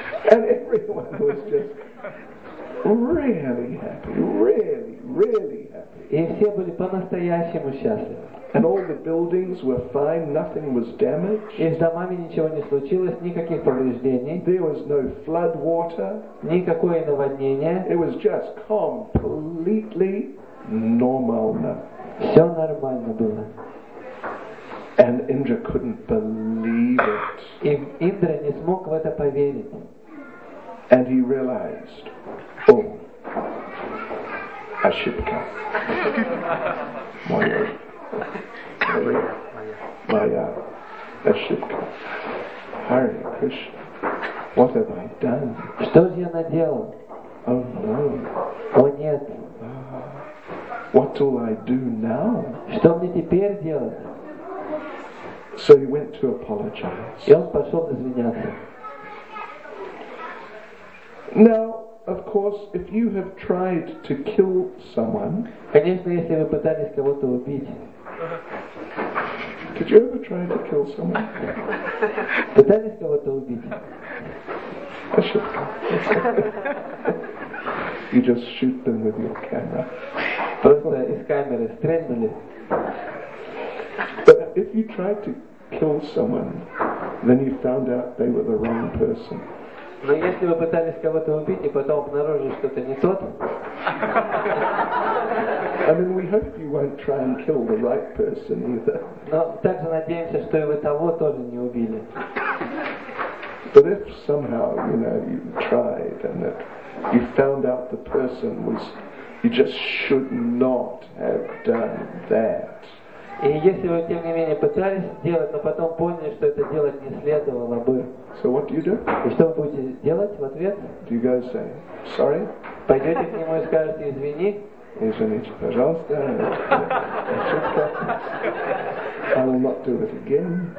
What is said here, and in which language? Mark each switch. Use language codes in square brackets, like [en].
[en] And everyone was just really happy, really, really happy. [ru] И все были по-настоящему счастливы. [en] And all the buildings were fine, nothing was damaged. [ru] И с домами ничего не случилось, никаких повреждений. [en] There was no flood water. [ru] Никакое наводнение. [en] It was just completely normal. [ru] Все нормально было. [en] And Indra couldn't believe it. [ru] И Индра не смог в это поверить. [en] And he realized, oh, Ashipka, Maya, Ashipka, Hare Krishna, what have I done? [ru] Что же я наделал? [en] Oh no. [ru] О нет. [en] What will I do now? [ru] Что мне теперь делать? [en] So he went to apologize. [ru] И он пошел извиняться. [en] Now, of course, if you have tried to kill someone, [ru] конечно, если вы пытались кого-то убить, [en] did you ever try to kill someone? [ru] Пытались кого-то убить? [en] You just shoot them with your camera. [ru] Просто из камеры стрельнули. [en] But if you tried to kill someone, then you found out they were the wrong person. [ru] Но если вы пытались кого-то убить и потом обнаружили, что это не тот, [en] I mean, we hope you won't try and kill the right person either. [ru] Но также надеемся, что и вы того тоже не убили. [en] But if somehow, you know, you tried and that you found out the person was, you just should not have done that. [ru] И если вы тем не менее пытались сделать, но потом поняли, что это делать не следовало бы. [en] So what do you do? [ru] И что вы будете делать в ответ? [en] Do you go say, sorry? [ru] Пойдете к нему и скажете извини. Извините, пожалуйста. Ошибка. [en] I will not do it again.